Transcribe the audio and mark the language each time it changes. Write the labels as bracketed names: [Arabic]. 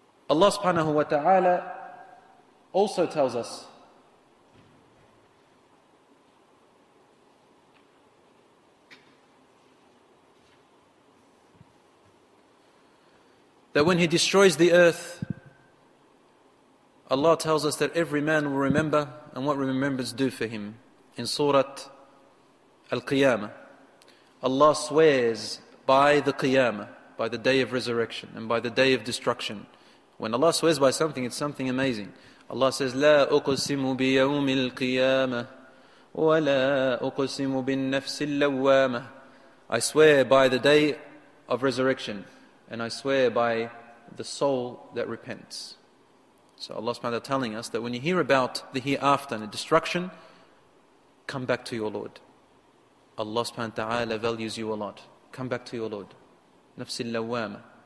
[English] Allah subhanahu wa ta'ala also tells us that when He destroys the earth, Allah tells us that every man will remember and what remembrance do for him. In Surah Al-Qiyamah, Allah swears by the Qiyamah, by the day of resurrection and by the day of destruction. When Allah swears by something, it's something amazing. Allah says, [Arabic] لا أقسم بيوم القيامة ولا أقسم بالنفس اللوامة. [English] I swear by the day of resurrection and I swear by the soul that repents. So Allah subhanahu wa ta'ala telling us that when you hear about the hereafter and the destruction, come back to your Lord. Allah subhanahu wa ta'ala values you a lot. Come back to your Lord. [Arabic] نفس اللوامة.